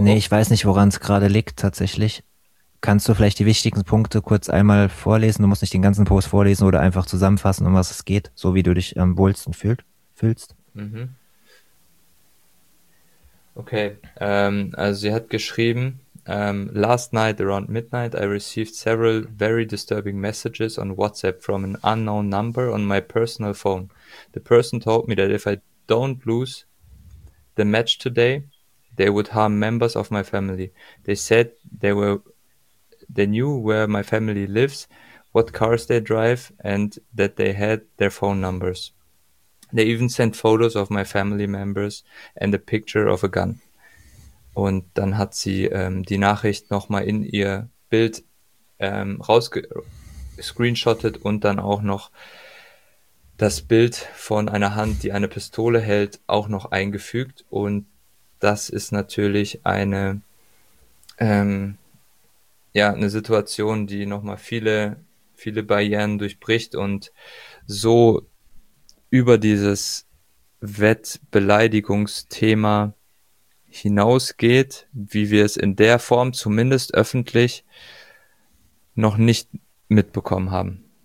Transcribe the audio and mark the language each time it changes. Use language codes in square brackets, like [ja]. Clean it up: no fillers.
[de] Nee, ich weiß nicht, woran es gerade liegt tatsächlich. Kannst du vielleicht die wichtigsten Punkte kurz einmal vorlesen? Du musst nicht den ganzen Post vorlesen oder einfach zusammenfassen, um was es geht, so wie du dich am wohlsten fühlst. Mhm. Okay, also sie hat geschrieben... [en] last night around midnight, I received several very disturbing messages on WhatsApp from an unknown number on my personal phone. The person told me that if I don't lose the match today, they would harm members of my family. They said they knew where my family lives, what cars they drive, and that they had their phone numbers. They even sent photos of my family members and a picture of a gun. [de] Und dann hat sie die Nachricht nochmal in ihr Bild rausgescreenshottet und dann auch noch das Bild von einer Hand, die eine Pistole hält, auch noch eingefügt. Und das ist natürlich eine Situation, die nochmal viele, viele Barrieren durchbricht und so über dieses Wettbeleidigungsthema hinausgeht, wie wir es in der Form zumindest öffentlich noch nicht mitbekommen haben.